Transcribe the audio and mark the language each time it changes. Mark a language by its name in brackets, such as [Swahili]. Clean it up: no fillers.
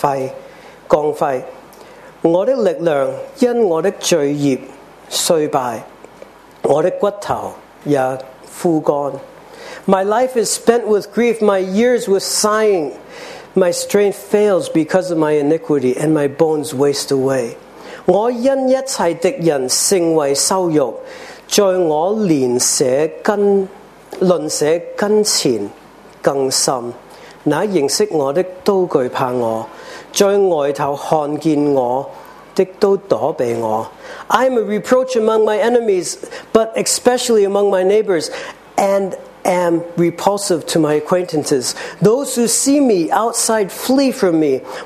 [Chinese] 我的生命为受苦所消耗，我的年岁为叹息所旷废。 [English] My life is spent with grief, my years with sighing. My strength fails because of my iniquity, and my bones waste away. [Chinese] 我因一切敌人性为羞辱，在我邻舍跟邻舍跟前更甚，那认识我的都惧怕我。在外头看见我的都躲避我。 [English] I am a reproach among my enemies, but especially among my neighbors, and am repulsive to my acquaintances. Those who see me outside flee from me.